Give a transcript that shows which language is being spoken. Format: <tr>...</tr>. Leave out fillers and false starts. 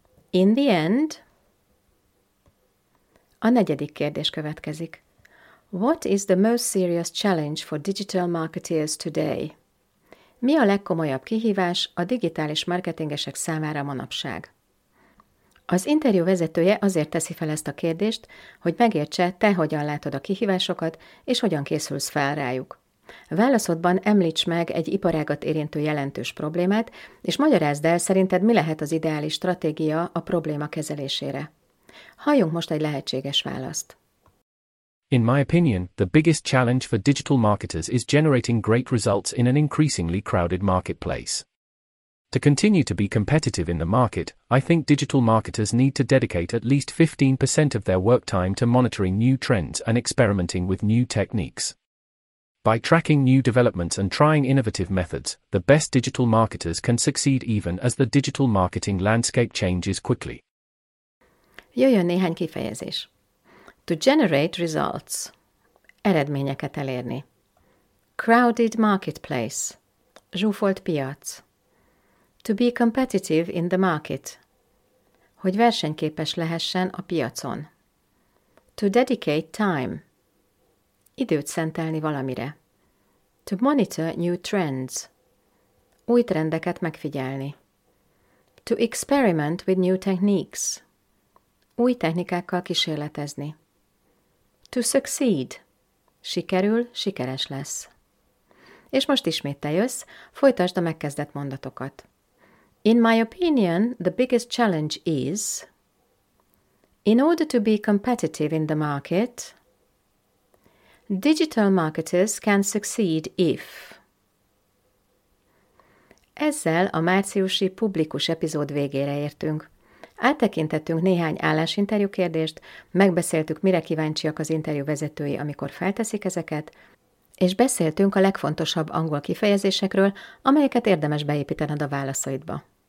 <en>In the end.</en> <hu>A negyedik kérdés következik.</hu> <en>What is the most serious challenge for digital marketers today?</en> <hu>Mi a legkomolyabb kihívás a digitális marketingesek számára manapság? Az interjú vezetője azért teszi fel ezt a kérdést, hogy megértse, te hogyan látod a kihívásokat, és hogyan készülsz fel rájuk. Válaszodban említs meg egy iparágat érintő jelentős problémát, és magyarázd el, szerinted mi lehet az ideális stratégia a probléma kezelésére. Halljunk most egy lehetséges választ.</hu> <en>In my opinion, the biggest challenge for digital marketers is generating great results in an increasingly crowded marketplace. To continue to be competitive in the market, I think digital marketers need to dedicate at least 15% of their work time to monitoring new trends and experimenting with new techniques. By tracking new developments and trying innovative methods, the best digital marketers can succeed even as the digital marketing landscape changes quickly.</en> <hu>Jöjjön néhány kifejezés.</hu> <en>To generate results.</en> <hu>Eredményeket elérni.</hu> <en>Crowded marketplace.</en> <hu>Zsúfolt piac.</hu> <en>To be competitive in the market.</en> <hu>Hogy versenyképes lehessen a piacon.</hu> <en>To dedicate time.</en> <hu>Időt szentelni valamire.</hu> <en>To monitor new trends.</en> <hu>Új trendeket megfigyelni.</hu> <en>To experiment with new techniques.</en> <hu>Új technikákkal kísérletezni.</hu> <en>To succeed.</en> <hu>Sikerül, sikeres lesz. És most ismét te jössz, folytasd a megkezdett mondatokat.</hu> <en>In my opinion, the biggest challenge is, in order to be competitive in the market, digital marketers can succeed if.</en> <hu>Ezzel a márciusi publikus epizód végére értünk. Áttekintettünk néhány állásinterjú kérdést, megbeszéltük, mire kíváncsiak az interjú vezetői, amikor felteszik ezeket, és beszéltünk a legfontosabb angol kifejezésekről, amelyeket érdemes beépítened a válaszaidba.</hu>